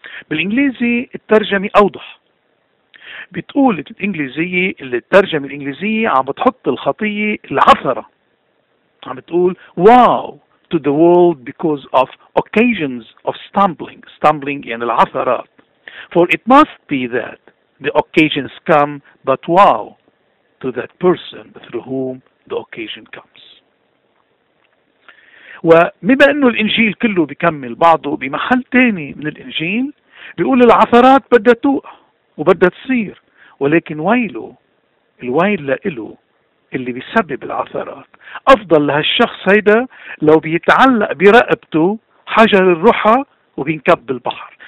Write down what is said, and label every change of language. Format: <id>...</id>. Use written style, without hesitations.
<ar>بالإنجليزي الترجمة أوضح، بتقول الإنجليزية اللي الترجمة الإنجليزية عم بتحط الخطية العثرة، عم بتقول واو</ar> <en>to the world because of occasions of stumbling.</en> <ar>Stumbling يعني العثرات.</ar> <en>For it must be that the occasions come, but wow to that person through whom the occasion comes.</en> <ar>وبما انه الانجيل كله بيكمل بعضه، بمحل تاني من الانجيل بيقول العثرات بدها توقع وبدها تصير، ولكن ويله، الويل لإله اللي بيسبب العثرات. افضل لهالشخص هيدا لو بيتعلق برقبته حجر الرحى وبينكب بالبحر.</ar>